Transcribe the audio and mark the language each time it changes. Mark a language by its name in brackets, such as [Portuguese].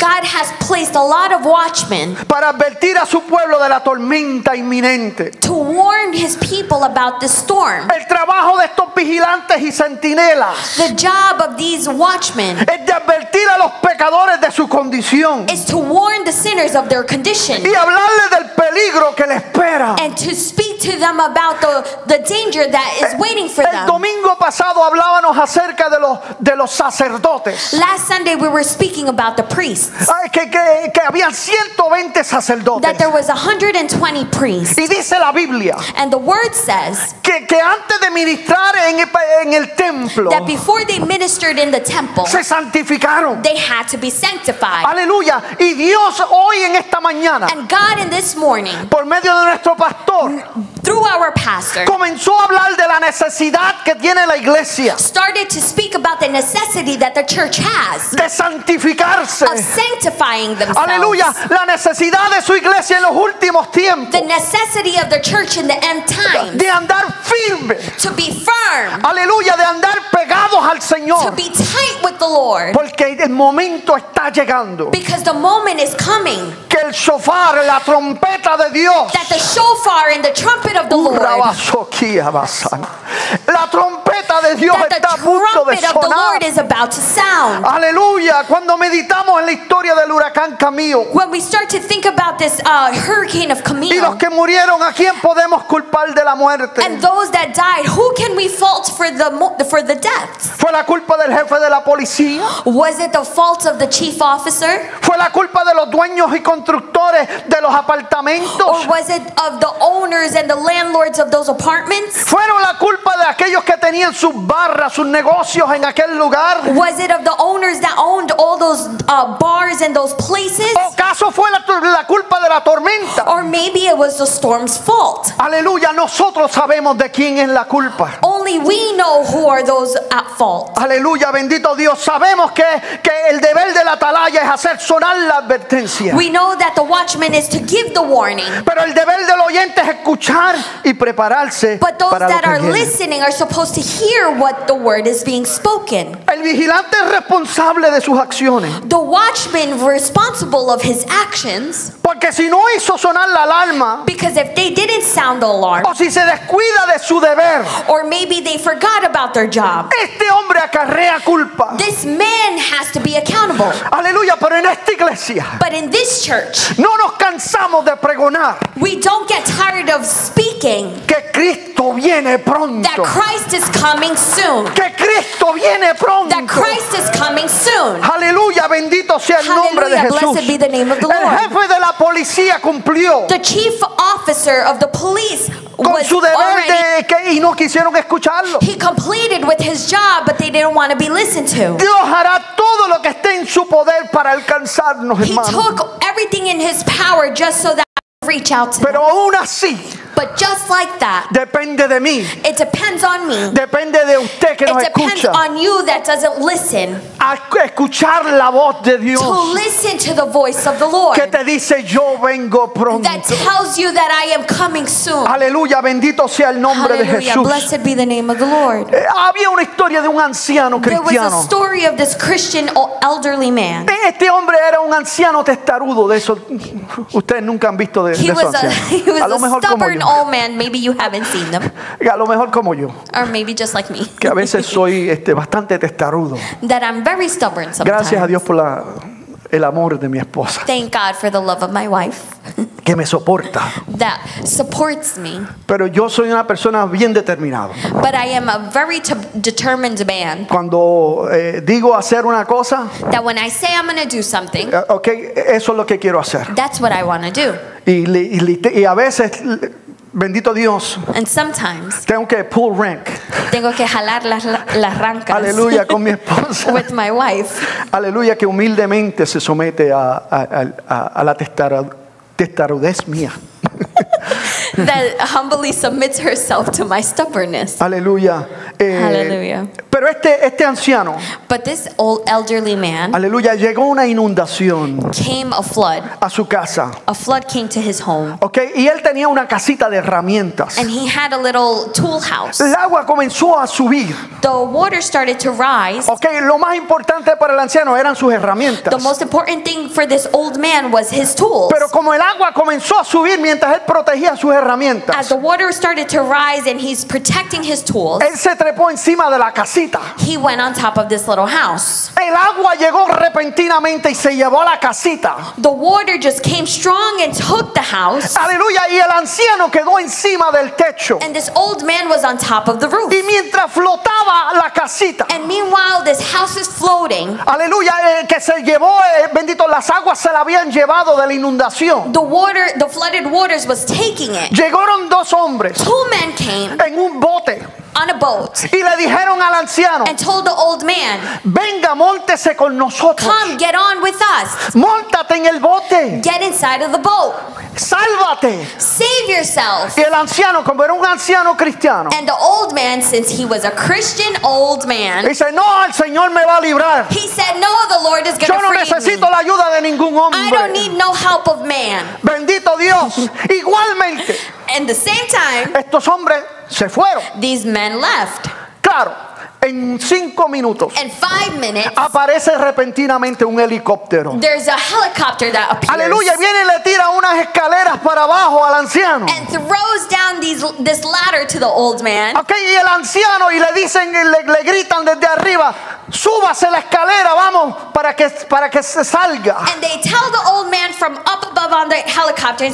[English] God has placed a lot of watchmen. [Spanish] Para advertir a su pueblo de la tormenta inminente. [English] To warn his people about the storm. [Spanish] El trabajo de estos vigilantes y centinelas. [English] The job of these watchmen. [Spanish] Es de advertir a los pecadores de su condición. [English] Is to warn the sinners of their condition. [Spanish] Y hablarles del peligro que les espera. [English] And to speak to them about the danger that is waiting for [Spanish] el [English] them. [Spanish] El domingo pasado hablábamos acerca de los sacerdotes. [English] Last Sunday we were speaking about the priests. [Spanish] Ay, que había 120 sacerdotes. [English] That there was 120 priests. [Spanish] Y dice la Biblia. [English] And the word says. [Spanish] Que antes de ministrar en el templo. [English] That before they ministered in the temple. [Spanish] Se santificaron. [English] They had to be sanctified. [Spanish] Aleluya. Y Dios hoy en esta mañana. [English] And God in this morning. [Spanish] Por medio de nuestro pastor. [English] Through our pastor. [Spanish] Comenzó a hablar de la necesidad que tiene la iglesia. [English] Started to speak about the necessity that the church has [Spanish] de santificarse. [English] Of sanctifying themselves. [Spanish] Aleluya, la necesidad de su iglesia en los últimos tiempos. [English] The necessity of the church in the end times. [Spanish] De andar firme. [English] To be firm. [Spanish] Aleluya, de andar pegados al Señor. [English] To be tight with the Lord. [Spanish] Porque el momento está llegando. [English] Because the moment is coming. [Spanish] Que el shofar, la trompeta de Dios. [English] That the shofar and the trumpet of the Lord. [Spanish] La trompeta trompeta de Dios está a punto de sonar. [English] That the Lord is about to sound. [Spanish] Aleluya. Cuando meditamos en la historia del huracán Camilo. [English] When we start to think about this hurricane of Camilo. [Spanish] Y los que murieron, ¿a quién podemos culpar de la muerte? [English] And those that died, who can we fault for the deaths? [Spanish] ¿Fue la culpa del jefe de la policía? [English] Was it the fault of the chief officer? [Spanish] ¿Fue la culpa de los dueños y constructores de los apartamentos? [English] Or was it of the owners and the landlords of those apartments? [Spanish] ¿Fueron la culpa de aquellos que tenían sus barras, sus negocios en aquel lugar? [English] Was it of the owners that owned all those bars and those places? [Spanish] ¿O caso fue la culpa de la tormenta? [English] Or maybe it was the storm's fault. [Spanish] Aleluya, nosotros sabemos de quién es la culpa. [English] Only we know who are those at fault. [Spanish] Aleluya, bendito Dios, sabemos que el deber de la atalaya es hacer sonar la advertencia. [English] We know that the watchman is to give the warning. [Spanish] Pero el deber del oyente es escuchar y prepararse. [English] But those para that are listening are supposed to hear what the word is being spoken. [Spanish] El vigilante es responsable de sus acciones. [English] The watchman responsible of his actions. [Spanish] Porque si no hizo sonar la alarma. [English] Because if they didn't sound the alarm. [Spanish] O si se descuida de su deber. [English] Or maybe they forgot about their job. [Spanish] Este hombre acarrea culpa. [English] This man has to be accountable. [Spanish] Aleluya, pero en esta iglesia. [English] But in this church. [Spanish] No nos cansamos de pregonar. [English] We don't get tired of speaking. [Spanish] Que Cristo viene pronto. [English] That Christ is coming soon. [Spanish] Que Cristo viene pronto. [English] That Christ is coming soon. [Spanish] Aleluya, bendito sea el nombre de Jesús. [English] Blessed be the name of the Lord. [Spanish] El jefe de la policía cumplió. [English] The chief officer of the police [Spanish] con su deber de que y no quisieron escucharlo. [English] He completed with his job, but they didn't want to be listened to. [Spanish] Dios hará todo lo que esté en su poder para alcanzarnos, hermano. [English] He took everything in his power just so that I could reach out to [Spanish] pero [English] them. [Spanish] Aún así, [English] but just like that, [Spanish] depende de mí. [English] It depends on me. [Spanish] Depende de usted que [English] it [Spanish] nos [English] depends [Spanish] escucha. [English] On you that doesn't listen. [Spanish] A escuchar la voz de Dios. [English] To listen to the voice of the Lord. [Spanish] Que te dice, yo vengo pronto. [English] That tells you that I am coming soon. [Spanish] Aleluya, bendito sea el nombre [English] Hallelujah, [Spanish] de Jesús. [English] Blessed be the name of the Lord. [Spanish] Había una historia de un anciano cristiano. [English] There was a story of this Christian elderly man. [Spanish] Este hombre era un anciano testarudo. De eso ustedes nunca han visto de eso. [English] He was a stubborn old man, maybe you haven't seen them. [Spanish] A lo mejor como yo. [English] Or maybe just like me. [Spanish] Que a veces soy bastante testarudo. [English] That I'm very stubborn sometimes. [Spanish] Gracias a Dios por el amor de mi esposa. [English] Thank God for the love of my wife. [Spanish] Que me soporta. [English] That supports me. [Spanish] Pero yo soy una persona bien determinada. [English] But I am a very determined man. [Spanish] Cuando digo hacer una cosa. [English] That when I say I'm going to do something. [Spanish] Okay, eso es lo que quiero hacer. [English] That's what I want to do. [Spanish] Y a veces, bendito Dios, [English] and sometimes, [Spanish] tengo que [English] pull rank. [Spanish] Tengo que jalar las rancas. Aleluya, con mi esposa. [English] With my wife. [Spanish] Aleluya, que humildemente se somete a la testarudez mía. [English] That humbly submits herself to my stubbornness. [Spanish] Aleluya. Aleluya. Pero este anciano. [English] But this old elderly man. [Spanish] Aleluya, llegó una inundación. [English] Came a flood. [Spanish] A su casa. [English] A flood came to his home. [Spanish] Okay, y él tenía una casita de herramientas. [English] And he had a little tool house. [Spanish] El agua comenzó a subir. [English] The water started to rise. [Spanish] Okay, lo más importante para el anciano eran sus herramientas. [English] The most important thing for this old man was his tools. [Spanish] Pero como el agua comenzó a subir mientras él protegía sus herramientas. [English] As the water started to rise and he's protecting his tools. [Spanish] Él se trepó encima de la casita. [English] He went on top of this little house. [Spanish] El agua llegó repentinamente y se llevó a la casita. [English] The water just came strong and took the house. [Spanish] Aleluya, y el anciano quedó encima del techo. [English] And this old man was on top of the roof. [Spanish] Y mientras flotaba la casita. [English] And meanwhile this house is floating. [Spanish] Aleluya, que se llevó bendito las aguas se la habían llevado de la inundación. [English] The water, the flooded waters was taking it. [Spanish] Llegaron dos hombres. [English] Two men came. [Spanish] En un bote. [English] On a boat. [Spanish] Y le dijeron al anciano. [English] And told the old man. [Spanish] Venga, móntese con nosotros. [English] Come, get on with us. [Spanish] Móntate en el bote. [English] Get inside of the boat. [Spanish] Sálvate. [English] Save yourself. [Spanish] Y el anciano, como era un anciano cristiano. [English] And the old man, since he was a Christian old man. [Spanish] Dice, no, el Señor me va a librar. [English] He said, no, the Lord is going to free me. [Spanish] Yo no necesito la ayuda de ningún hombre. [English] I don't need no help of man. [Spanish] Bendito Dios. Igualmente. [English] And the same time. [Spanish] Estos hombres. Se fueron. [English] These men left. [Spanish] Claro, en 5 minutos. [English] In 5 minutes. [Spanish] Aparece repentinamente un helicóptero. [English] There's a helicopter that appears. [Spanish] Aleluya, viene y le tira una unas escaleras para abajo al anciano. [English] And throws down this ladder to the old man. [Spanish] Okay, y el anciano y le dicen, le gritan desde arriba, súbase la escalera, vamos, para que se salga. [English] And they tell the old man from up above on the helicopter and